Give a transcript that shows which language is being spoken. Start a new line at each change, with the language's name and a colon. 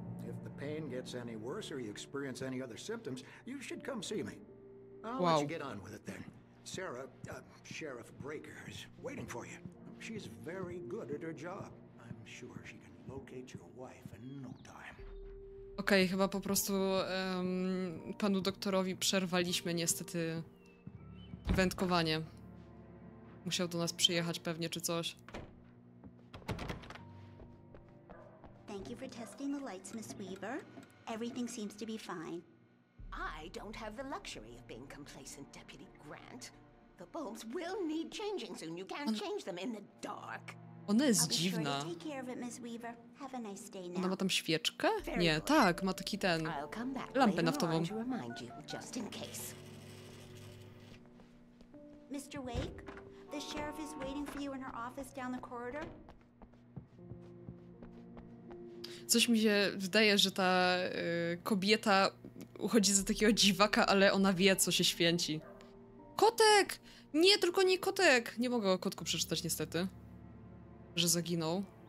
English: If the pain gets any worse or you experience any other symptoms, you should come see me. I'll wow. let you get on with it then. Sarah, Sheriff Breaker is waiting for you. She's very good at her job. I'm sure she can locate your wife in no time.
Polish: Okej, chyba po prostu panu doktorowi przerwaliśmy niestety wędkowanie. Musiał do nas przyjechać pewnie czy coś.
English: Thank you for testing the lights, Miss Weaver. Everything seems to be fine. I don't have the luxury of being complacent, Deputy Grant. The bulbs will need changing soon. You can't change them in the dark.
Polish: Ona jest dziwna.
English: Sure, take care of it, Miss Weaver. Have a nice day now.
Polish: Ona ma tam świeczkę? Nie, tak, ma taki ten... lampę naftową.
English: I'll come back later on to remind you, just in case. Mr. Wake, the sheriff is waiting for you in her office down the corridor.
Polish: Coś mi się wydaje, że ta kobieta uchodzi za takiego dziwaka, ale ona wie, co się święci. Kotek! Nie, tylko nie kotek! Nie mogę o kotku przeczytać niestety, że zaginął.